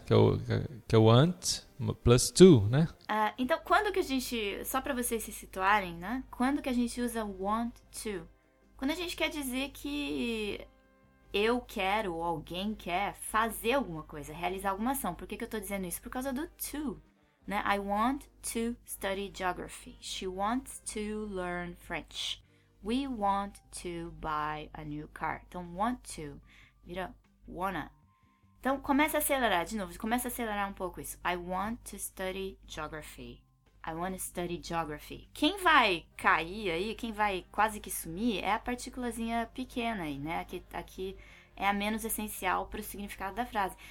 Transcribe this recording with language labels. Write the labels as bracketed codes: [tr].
[pt] Que é o Ant plus two, né? Então, quando que a gente... Só pra vocês se situarem, né? Quando que a gente usa want to? Quando a gente quer dizer que eu quero ou alguém quer fazer alguma coisa, realizar alguma ação. Por que que eu tô dizendo isso? Por causa do to, né? [en] I want to study geography. She wants to learn French. We want to buy a new car. [pt] Então, want to vira wanna. Então, começa a acelerar de novo. Começa a acelerar um pouco isso. [en] I want to study geography. I want to study geography. [pt] Quem vai cair aí, quem vai quase que sumir, é a partículazinha pequena aí, né? Aqui é a menos essencial para o significado da frase.